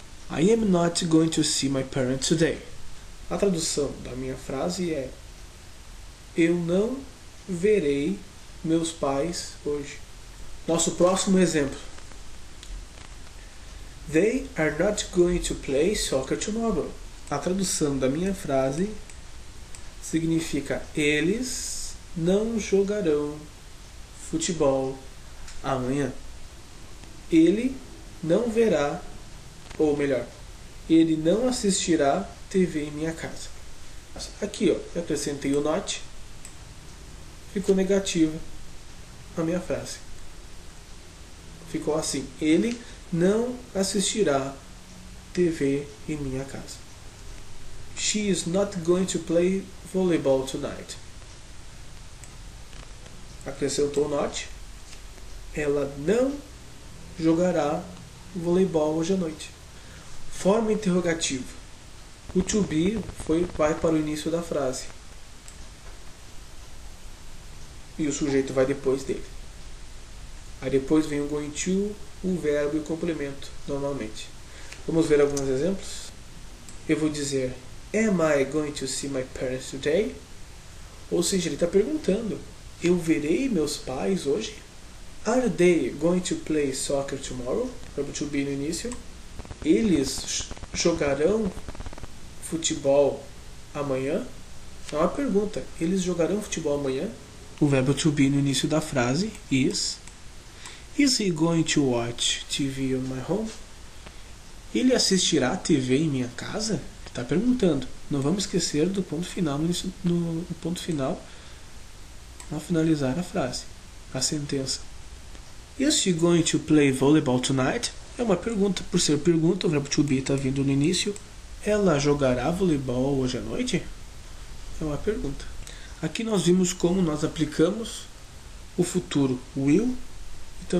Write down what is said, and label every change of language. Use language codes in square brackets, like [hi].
[en] I am not going to see my parents today. [pt] A tradução da minha frase é: eu não verei meus pais hoje. Nosso próximo exemplo: [en] they are not going to play soccer tomorrow. [pt] A tradução da minha frase significa: eles não jogarão futebol amanhã. Ele não verá, ou melhor, ele não assistirá TV em minha casa. Aqui, ó, eu acrescentei o not, ficou negativa a minha frase. Ficou assim: ele não assistirá TV em minha casa. [en] She is not going to play volleyball tonight. [pt] Acrescentou o note: ela não jogará voleibol hoje à noite. Forma interrogativa: o to be vai para o início da frase e o sujeito vai depois dele. Aí depois vem o going to, o verbo e o complemento, normalmente. Vamos ver alguns exemplos? Eu vou dizer: [en] am I going to see my parents today? [pt] Ou seja, ele está perguntando: eu verei meus pais hoje? [en] Are they going to play soccer tomorrow? [pt] Verbo to be no início. Eles jogarão futebol amanhã? É uma pergunta. Eles jogarão futebol amanhã? O verbo to be no início da frase, is. [en] Is he going to watch TV on my home? [pt] Ele assistirá TV em minha casa? Está perguntando. Não vamos esquecer do ponto final no início, no ponto final. Ao finalizar a frase, a sentença. [en] Is she going to play volleyball tonight? [pt] É uma pergunta. Por ser pergunta, o verbo to be está vindo no início. Ela jogará voleibol hoje à noite? É uma pergunta. Aqui nós vimos como nós aplicamos o futuro will e também o verbo to be mais o going to nas frases